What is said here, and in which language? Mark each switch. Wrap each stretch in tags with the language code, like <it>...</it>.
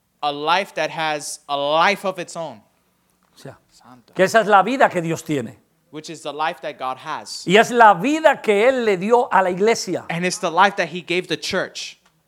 <en>A life that has a life of its own.</en> <es>O sea, que esa es la vida que Dios tiene.</es> <en>Which is the life that God has.</en> <es>Y es la vida que Él le dio a la iglesia.</es> <en>And it's the life that He gave the church.</en>